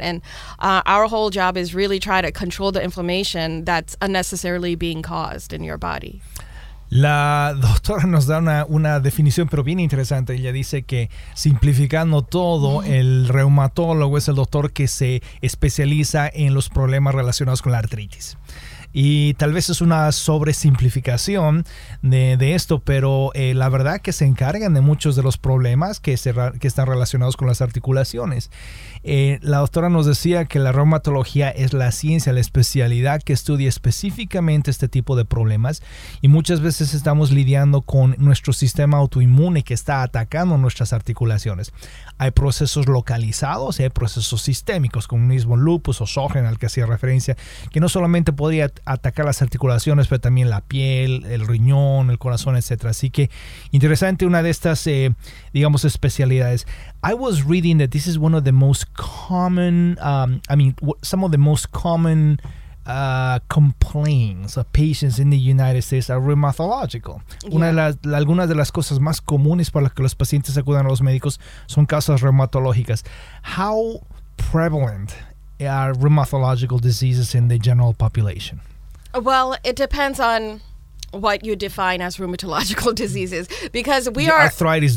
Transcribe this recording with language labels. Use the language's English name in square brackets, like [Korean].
[English] And our whole job is really try to control the inflammation that's unnecessarily being caused in your body. [Spanish] La doctora nos da una definición, pero bien interesante. Ella dice que, simplificando todo, el reumatólogo es el doctor que se especializa en los problemas relacionados con la artritis. Y tal vez es una sobresimplificación de esto, pero la verdad que se encargan de muchos de los problemas que están relacionados con las articulaciones. La doctora nos decía que la reumatología es la ciencia, la especialidad que estudia específicamente este tipo de problemas, y muchas veces estamos lidiando con nuestro sistema autoinmune que está atacando nuestras articulaciones. Hay procesos localizados y hay procesos sistémicos, como el mismo lupus o Sjögren al que hacía referencia, que no solamente podría atacar las articulaciones, pero también la piel, el riñón, el corazón, etcétera. Así que interesante una de estas, especialidades. [English] I was reading that this is one of the most common, some of the most common complaints of patients in the United States are rheumatological. Yeah. [Spanish] Algunas de las cosas más comunes para las que los pacientes acudan a los médicos son causas reumatológicas. [English] How prevalent are rheumatological diseases in the general population? Well, it depends on what you define as rheumatological diseases, because arthritis